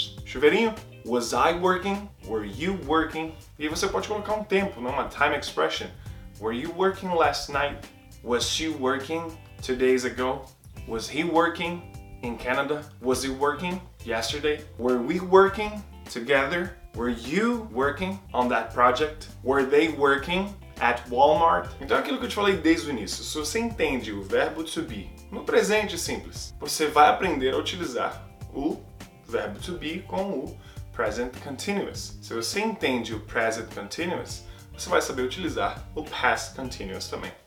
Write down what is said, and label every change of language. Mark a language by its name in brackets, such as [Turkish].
[English] Chuveirinho, was I working, were you working? [Portuguese] E você pode colocar um tempo, não uma time expression. [English] Were you working last night? Was she working 2 days ago? Was he working in Canada? Was he working yesterday? Were we working together? Were you working on that project? Were they working at Walmart? [Portuguese] Então aquilo que eu te falei desde o início, se você entende o verbo to be no presente simples, você vai aprender a utilizar o verbo to be com o present continuous. Se você entende o present continuous, você vai saber utilizar o past continuous também.